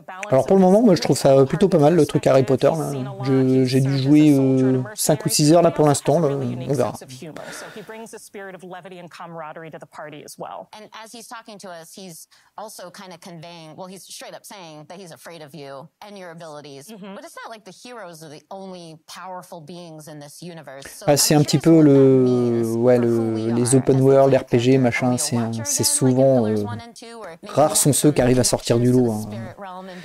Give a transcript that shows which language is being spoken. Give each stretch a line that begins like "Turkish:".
French: Alors, pour le moment, moi, je trouve ça plutôt pas mal, le truc Harry Potter. Là. J'ai dû jouer 5 ou 6 heures, là, pour l'instant. Là. On verra.
English: He brings a spirit of levity and camaraderie to the party as well. And as he's talking to us, he's also kind of conveying, well, he's straight up saying that he's afraid of you and your abilities. Mm-hmm. But it's not like the heroes are the only powerful beings in this universe.
French: So ah, c'est un petit peu les open world RPG machin, c'est souvent rares sont ceux qui arrivent à sortir du lot. Hein.